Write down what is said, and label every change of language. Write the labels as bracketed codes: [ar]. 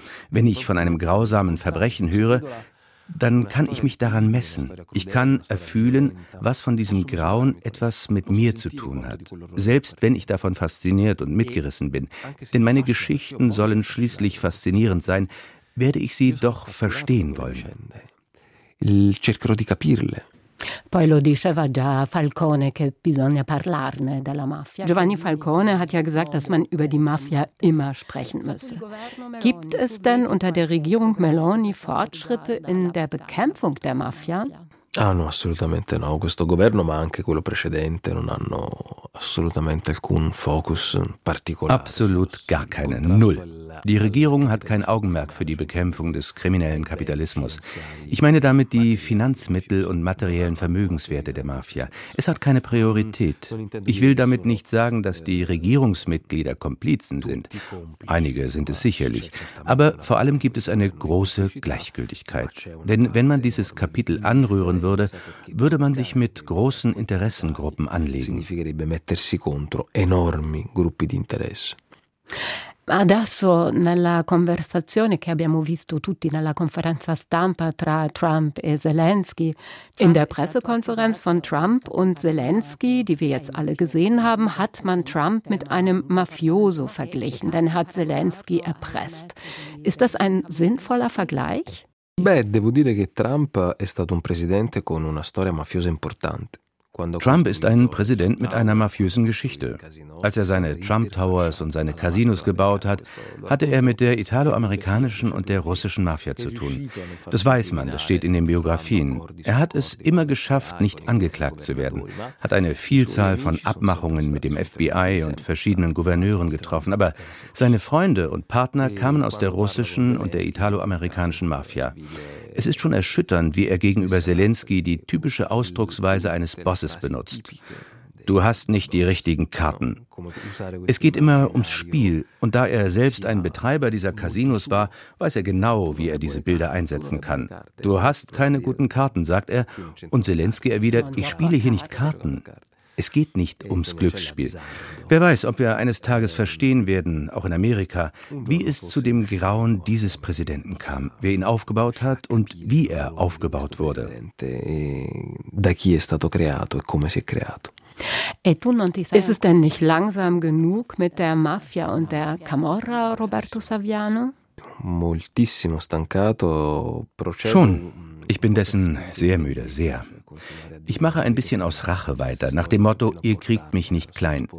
[de] Wenn ich von einem grausamen Verbrechen höre, dann kann ich mich daran messen. Ich kann erfühlen, was von diesem Grauen etwas mit mir zu tun hat. Selbst wenn ich davon fasziniert und mitgerissen bin. Denn meine Geschichten sollen schließlich faszinierend sein, werde ich sie doch verstehen wollen. [it] Cercherò di capirle. Poi lo diceva già Falcone, che bisogna parlarne della mafia. [de] Giovanni Falcone hat ja gesagt, dass man über die Mafia immer sprechen müsse. Gibt es denn unter der Regierung Meloni Fortschritte in der Bekämpfung der Mafia? [it] Ah no, assolutamente no. Questo governo, ma anche quello precedente, non hanno assolutamente alcun focus particolare. [de] Absolut gar keine, null. Die Regierung hat kein Augenmerk für die Bekämpfung des kriminellen Kapitalismus. Ich meine damit die Finanzmittel und materiellen Vermögenswerte der Mafia. Es hat keine Priorität. Ich will damit nicht sagen, dass die Regierungsmitglieder Komplizen sind. Einige sind es sicherlich. Aber vor allem gibt es eine große Gleichgültigkeit. Denn wenn man dieses Kapitel anrühren würde, würde man sich mit großen Interessengruppen anlegen. Das [it] significherebbe mettersi contro enormi gruppi di interesse. Adesso nella conversazione che abbiamo visto tutti nella conferenza stampa tra Trump e Zelensky, [de] in der Pressekonferenz von Trump und Zelensky, die wir jetzt alle gesehen haben, hat man Trump mit einem Mafioso verglichen, denn hat Zelensky erpresst. Ist das ein sinnvoller Vergleich? [it] Beh, devo dire che Trump è stato un presidente con una storia mafiosa importante. [de] Trump ist ein Präsident mit einer mafiösen Geschichte. Als er seine Trump Towers und seine Casinos gebaut hat, hatte er mit der italoamerikanischen und der russischen Mafia zu tun. Das weiß man, das steht in den Biografien. Er hat es immer geschafft, nicht angeklagt zu werden, hat eine Vielzahl von Abmachungen mit dem FBI und verschiedenen Gouverneuren getroffen. Aber seine Freunde und Partner kamen aus der russischen und der italoamerikanischen Mafia. Es ist schon erschütternd, wie er gegenüber Zelensky die typische Ausdrucksweise eines Bosses benutzt. Du hast nicht die richtigen Karten. Es geht immer ums Spiel. Und da er selbst ein Betreiber dieser Casinos war, weiß er genau, wie er diese Bilder einsetzen kann. Du hast keine guten Karten, sagt er. Und Zelensky erwidert, ich spiele hier nicht Karten. Es geht nicht ums Glücksspiel. Wer weiß, ob wir eines Tages verstehen werden, auch in Amerika, wie es zu dem Grauen dieses Präsidenten kam, wer ihn aufgebaut hat und wie er aufgebaut wurde. [it] Da chi è stato creato e come si è creato. [de] Ist es denn nicht langsam genug mit der Mafia und der Camorra, Roberto Saviano? [it] Moltissimo stancato. [de] Schon. Ich bin dessen sehr müde, sehr. Ich mache ein bisschen aus Rache weiter, nach dem Motto, ihr kriegt mich nicht klein.